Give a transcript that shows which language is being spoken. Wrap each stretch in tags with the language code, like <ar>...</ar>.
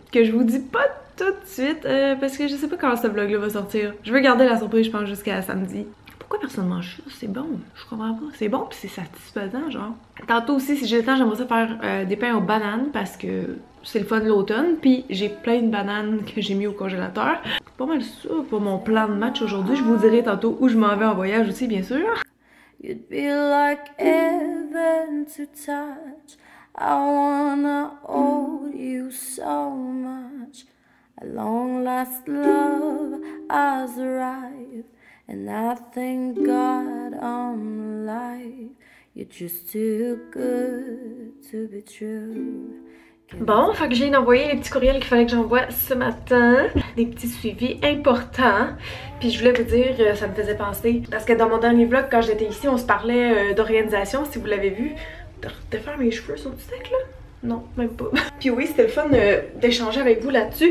<fr>Que je vous dis pas tout de suite, parce que je sais pas quand ce vlog-là va sortir. Je veux garder la surprise, je pense, jusqu'à samedi. pourquoi personne mange ça? C'est bon. Je comprends pas. C'est bon pis c'est satisfaisant, genre. Tantôt aussi, si j'ai le temps, j'aimerais ça faire des pains aux bananes parce que c'est le fun de l'automne. Puis j'ai plein de bananes que j'ai mis au congélateur. C'est pas mal ça pour mon plan de match aujourd'hui. Je vous dirai tantôt où je m'en vais en voyage aussi, bien sûr.</fr> <en>You'd be like heaven to touch. I wanna hold you so much. A long last love has arrived. And I thank God I'm alive. You're just too good to be true.</en> <fr>Bon, fait que j'ai envoyé les petits courriels qu'il fallait que j'envoie ce matin. Des petits suivis importants. Puis je voulais vous dire, ça me faisait penser. Parce que dans mon dernier vlog, quand j'étais ici, on se parlait d'organisation, si vous l'avez vu. De faire mes cheveux sur le sec, là? Non, même pas. Puis oui, c'était le fun d'échanger avec vous là-dessus.</fr>